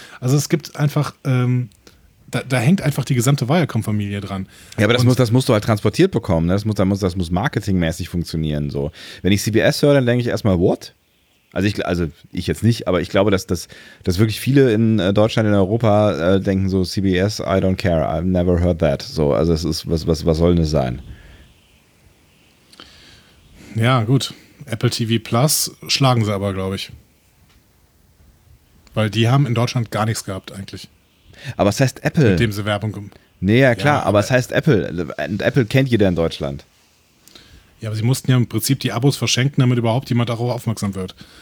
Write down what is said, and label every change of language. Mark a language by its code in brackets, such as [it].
[de] Also es gibt einfach, da hängt einfach die gesamte Viacom-Familie dran. Ja, aber das musst du halt transportiert bekommen. Ne? Das muss marketingmäßig funktionieren. So. Wenn ich CBS höre, dann denke ich erstmal, what? Also ich jetzt nicht, aber ich glaube, dass wirklich viele in Deutschland, in Europa denken so, CBS, [en] I don't care, I've never heard that. [de] So, also es ist, was soll denn das sein? Ja, gut. Apple TV Plus schlagen sie aber, glaube ich. Weil die haben in Deutschland gar nichts gehabt eigentlich. Aber es heißt Apple. Mit dem sie Werbung kommen. Nee, ja klar, aber es heißt Apple. Und Apple kennt jeder in Deutschland. Ja, aber sie mussten ja im Prinzip die Abos verschenken, damit überhaupt jemand darauf aufmerksam wird.